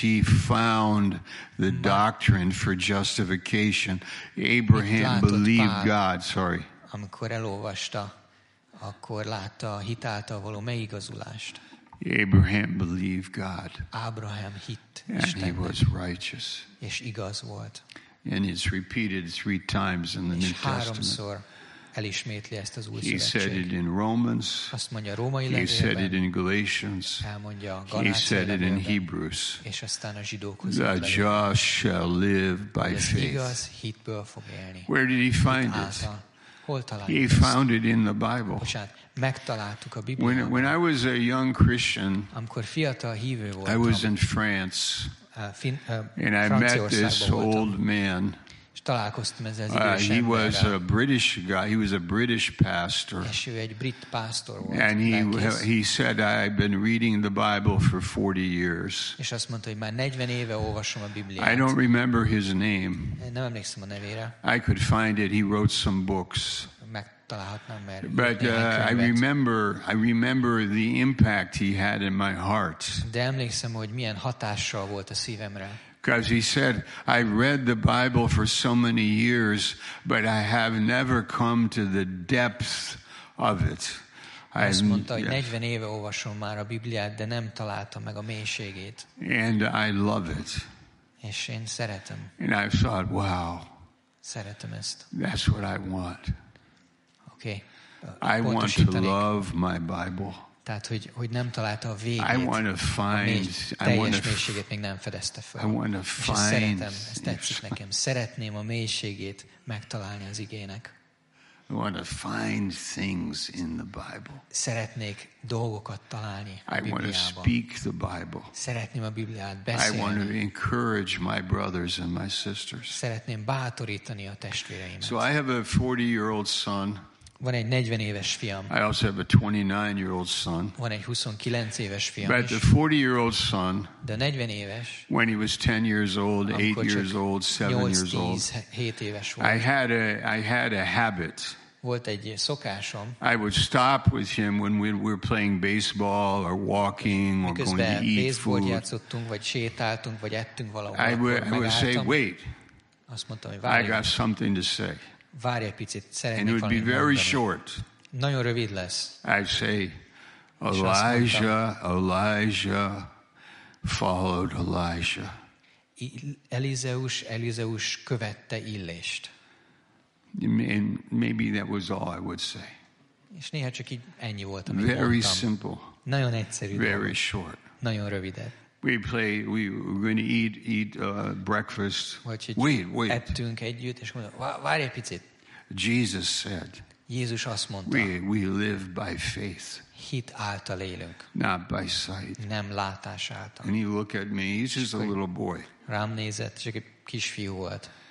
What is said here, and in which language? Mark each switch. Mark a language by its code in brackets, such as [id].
[en] He found the doctrine for justification. Abraham believed God. Sorry. [hu] Amikor elolvasta, akkor látta a hit által való megigazulást. [en] Abraham believed God. [hu] Abraham hit [en] Istennek. He was righteous. [hu] És igaz volt. [en] And it's repeated three times in the New Testament. [hu] És háromszor elismétli ezt az Újszövetség. [en] He said it in Romans. [hu] Azt mondja a római levélben. [en] He said it in Galatians. [hu] Elmondja a Galácia [en] levélben. He said it in Hebrews. [hu] És aztán a zsidókhoz levélben. [en] The just shall live by faith. [hu] Igaz hitből fog élni. [en] Where did he find it? He found it in the Bible. [hu] Megtaláltuk a Bibliában. [en] When I was a young Christian, [hu] amikor fiatal hívő voltam, [en] I was in France, and I met this old man. [hu] És találkoztam ezzel az idős emberrel. [en] He was a British guy. He was a British pastor. [hu] És ő egy brit pastor volt. [en] And he said, I've been reading the Bible for 40 years. [hu] És azt mondta, hogy már 40 éve olvasom a Bibliát. [en] I don't remember his name. [hu] Nem emlékszem a nevére. [en] I could find it. He wrote some books. [hu] Megtalálhatnám, mert [en] but I remember the impact he had in my heart. [hu] De emlékszem, hogy milyen hatással volt a szívemre. [en] Because he said, I read the Bible for so many years, but I have never come to the depth of it. [hu] Azt mondta, hogy 40 éve olvasom már a Bibliát, de nem találtam meg a mélységét. [en] And I love it. [hu] És én szeretem. [en] And I thought, wow. [hu] Szeretem ezt. [en] That's what I want. Okay. I want to love my Bible. [hu] Tehát, hogy nem találta a végét. [en] I want to find. [hu] Teljes mélységét még nem fedezte fel. [en] I want to find. [hu] Ez tetszik nekem. Szeretném a mélységét megtalálni az igének. [en] I want to find things in the Bible. [hu] Szeretnék dolgokat találni a Bibliában. [en] I want to speak the Bible. [hu] Szeretném a Bibliát beszélni. [en] I want to encourage my brothers and my sisters. [hu] Szeretném bátorítani a testvéreimet. [en] So I have a 40-year-old son. [hu] Van egy 40 éves fiam. [en] I also have a 29-year-old son. [hu] Van egy 29 éves fiam. [en] But the 40-year-old son, [hu] de 40 éves, [en] when he was 10 years old, 8 years old, 7 years old, [hu] 7 éves volt. [en] I had a habit. [hu] Volt egy szokásom. [en] I would stop with him when we were playing baseball or walking or going to eat food. [hu] Miközben baseball játszottunk, vagy sétáltunk, vagy ettünk valahol. [en] I would say, wait. [hu] Azt mondtam, hogy várj. [en] I got something to say. [hu] Várj egy picit, szeretnék. [en] And it would be very [hu] mondani. [en] Short. [hu] Nagyon rövid lesz. [en] I say, Elijah, Elijah, followed Elijah. [hu] Elizeus, Elizeus követte Illést. [en] And maybe that was all I would say. [hu] És néha csak így ennyi volt, amit [en] very [hu] mondtam. [en] Simple. [hu] Nagyon egyszerű. [en] Very [hu] dolog. [en] Short. [hu] Nagyon rövidet. [en] We were going to eat breakfast. [hu] Wait. Ettünk együtt, és mondom, várj egy picit. [en] Jesus said, [hu] Jézus azt mondta, [en] we live by faith. [hu] Hit által élünk. [en] Not by sight. [hu] Nem látás által. [en] And he looked at me, he's just a little boy. [hu] Rám nézett, csak egy kisfiú volt.